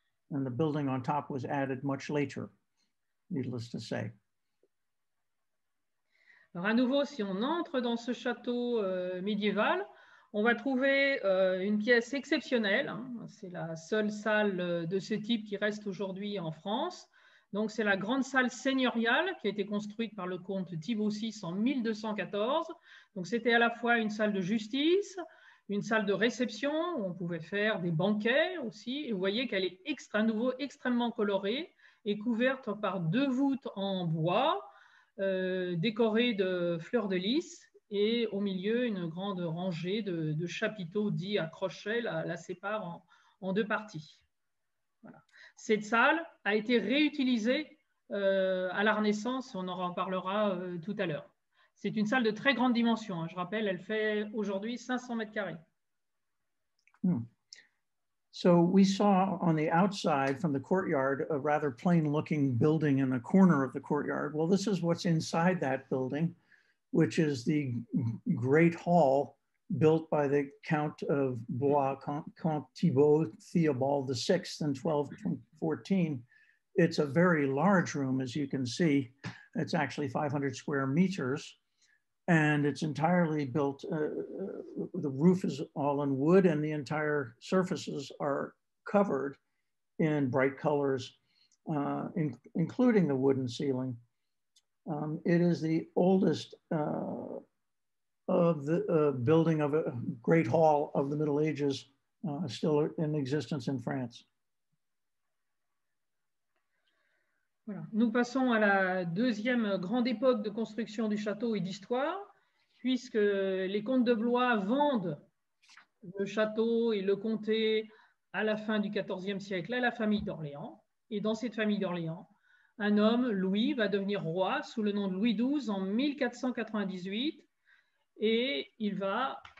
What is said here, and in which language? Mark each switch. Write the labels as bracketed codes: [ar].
[en] And the building on top was added much later, needless to say. [fr] Alors à nouveau, si on entre dans ce château médiéval, on va trouver une pièce exceptionnelle. C'est la seule salle de ce type qui reste aujourd'hui en France. Donc c'est la grande salle seigneuriale qui a été construite par le comte Thibaut VI en 1214. Donc c'était à la fois une salle de justice, une salle de réception où on pouvait faire des banquets aussi. Et vous voyez qu'elle est extrêmement colorée et couverte par deux voûtes en bois, décoré de fleurs de lys et au milieu une grande rangée de chapiteaux dits à crochets la sépare en deux parties. Voilà. Cette salle a été réutilisée à la Renaissance, on en reparlera tout à l'heure. C'est une salle de très grande dimension, hein. Je rappelle, elle fait aujourd'hui 500 mètres carrés. [en] So we saw on the outside from the courtyard a rather plain looking building in the corner of the courtyard. Well, this is what's inside that building, which is the great hall built by the Count of Blois, Comte Thibault Theobald VI in 1214. It's a very large room, as you can see. It's actually 500 square meters. And it's entirely built, the roof is all in wood and the entire surfaces are covered in bright colors, including the wooden ceiling. It is the oldest of the building of a great hall of the Middle Ages still in existence in France. [fr] Voilà. Nous passons à la deuxième grande époque de construction du château et d'histoire, puisque les comtes de Blois vendent le château et le comté à la fin du XIVe siècle à la famille d'Orléans. Et dans cette famille d'Orléans, un homme, Louis, va devenir roi sous le nom de Louis XII en 1498 et il va